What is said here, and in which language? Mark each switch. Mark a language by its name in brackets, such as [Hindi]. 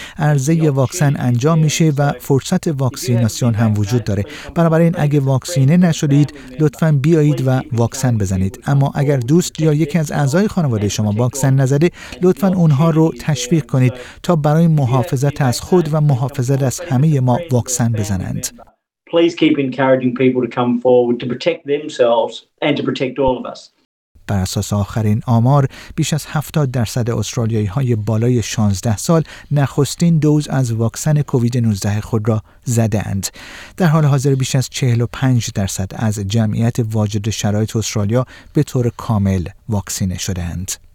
[Persian] عرضه واکسن انجام میشه و فرصت واکسیناسیون هم وجود داره. بنابراین اگه واکسینه نشدید لطفاً بیایید و واکسن بزنید. اما اگر دوست یا یکی از اعضای خانواده شما واکسن نزده لطفاً اونها رو تشویق کنید تا برای محافظت از خود و محافظت از همه ما واکسن بزنند. [English] Please keep encouraging people to come forward to protect themselves and to protect all of us. [Persian] بر اساس آخرین آمار بیش از 70% استرالیایی های بالای 16 سال نخستین دوز از واکسن کووید 19 خود را زده اند. در حال حاضر بیش از 45% از جمعیت واجد شرایط استرالیا به طور کامل واکسینه شده اند.